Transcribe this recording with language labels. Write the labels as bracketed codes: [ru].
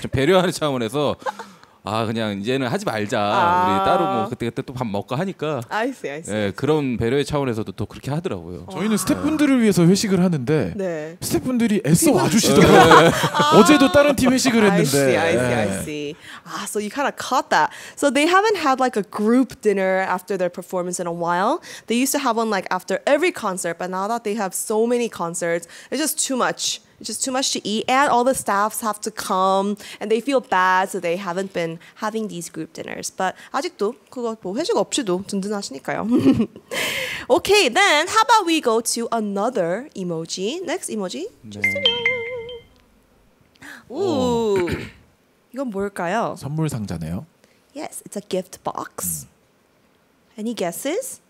[ko] 좀 배려하는 차원에서 아 그냥 이제는 하지 말자. 아~ 우리 따로 뭐 그때 또 밥 먹고 하니까 아이씨. 예, 그런 배려의 차원에서도 또 그렇게 하더라고요. 저희는 스태프분들을 위해서 회식을 하는데 네. 스태프분들이 애써 와주시더라고요. 아~ 어제도 다른 팀 회식을 했는데 아이씨. [en] 아, so you kind of caught that. So they haven't had like a group dinner after their performance in a while. They used to have one like after every concert, but now that they have so many concerts, it's just too much. Just too much to eat, and all the staffs have to come, and they feel bad, so they haven't been having these group dinners. [ko] But 아직도 그거 뭐 회식 없이도 든든하시니까요. [en] Okay, then how about we go to another emoji? Next emoji. [ko] 오, 이건 뭘까요? 선물 상자네요. [en] Yes, it's a gift box. Any guesses?